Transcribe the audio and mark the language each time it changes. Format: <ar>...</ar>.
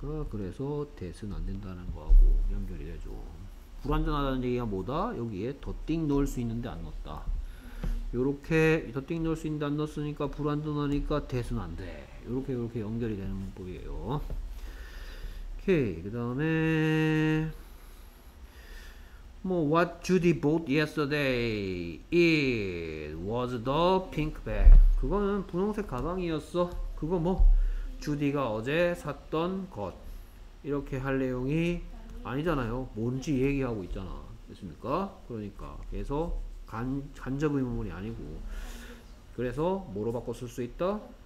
<ko>그래서 that은 안 된다는 거하고 연결이 되죠. 불완전하다는 얘기가 뭐다? 여기에 the thing 넣을 수 있는데 안 넣었다. 요렇게 the thing 넣을 수 있는데 안 넣었으니까 불완전하니까 that은 안 돼. 요렇게 요렇게 연결이 되는 문법이에요. 오케이. 그 다음에 뭐</ko> <en>what Judy bought yesterday it was the pink bag.</en> <ko>그거는 분홍색 가방이었어. 그거 뭐 주디가 어제 샀던 것. 이렇게 할 내용이 아니잖아요. 뭔지 얘기하고 있잖아. 됐습니까? 그러니까 그래서 간접 의문문이 아니고, 그래서 뭐로 바꿔 쓸 수 있다?</ko>